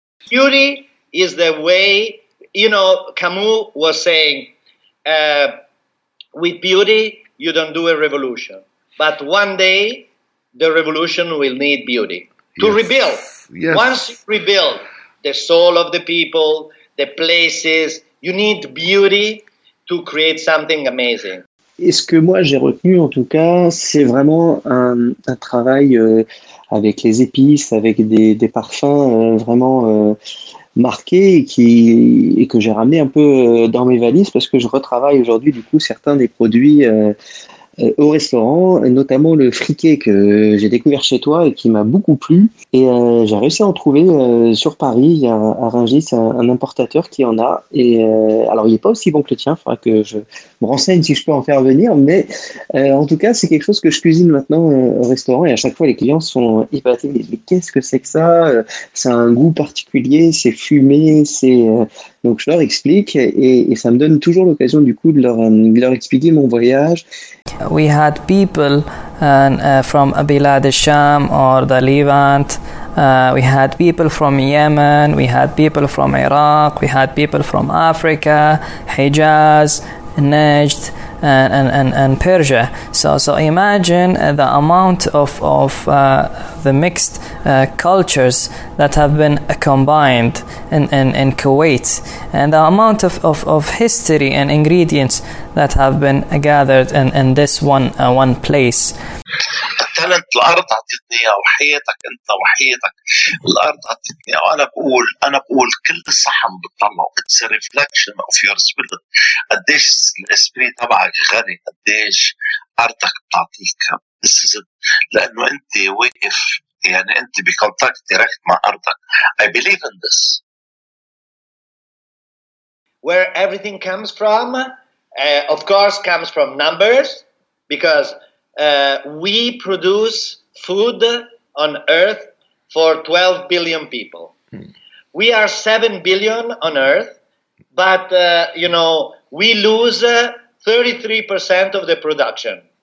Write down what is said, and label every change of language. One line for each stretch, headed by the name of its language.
English: Beauty is the way, you know, Camus was saying, with beauty, you don't do a revolution. But one day, the revolution will need beauty to rebuild. Yes. Once you rebuild the soul of the people, the places, you need beauty to create something amazing.
French: Et ce que moi j'ai retenu en tout cas, c'est vraiment un travail avec les épices, avec des parfums vraiment marqués et que j'ai ramené un peu dans mes valises parce que je retravaille aujourd'hui du coup certains des produits au restaurant, notamment le friquet que j'ai découvert chez toi et qui m'a beaucoup plu. Et j'ai réussi à en trouver sur Paris, à Rungis, un importateur qui en a. Et alors, il n'est pas aussi bon que le tien, il faudra que je me renseigne si je peux en faire venir. Mais en tout cas, c'est quelque chose que je cuisine maintenant au restaurant. Et à chaque fois, les clients sont épatés. Ils disent, mais qu'est-ce que c'est que ça? Ça a un goût particulier, c'est fumé. C'est... Donc, je leur explique et ça me donne toujours l'occasion du coup de leur expliquer mon voyage.
English: We had people from Bilad al-Sham or the Levant. We had people from Yemen. We had people from Iraq. We had people from Africa, Hijaz, Najd, and Persia. So imagine the amount of the mixed cultures that have been combined in Kuwait, and the amount of history and ingredients that have been gathered in this one place.
Arabic: التالنت الأرض عطتني إياه وحياتك أنت وحياتك الأرض عطتني إياه وأنا بقول كل صحن بتطلعه
English: it's a reflection of your spirit
Arabic: قديش الإسبري تبعك غني قديش أرضك بتعطيك
English: this is it
Arabic: لأنه أنت واقف يعني أنت بكونتاكت ديركت مع أرضك
English: I believe in this where everything comes from of course comes from numbers because we produce food on Earth for 12 billion people. We are 7 billion on Earth, but, you know, we lose 33% of the production.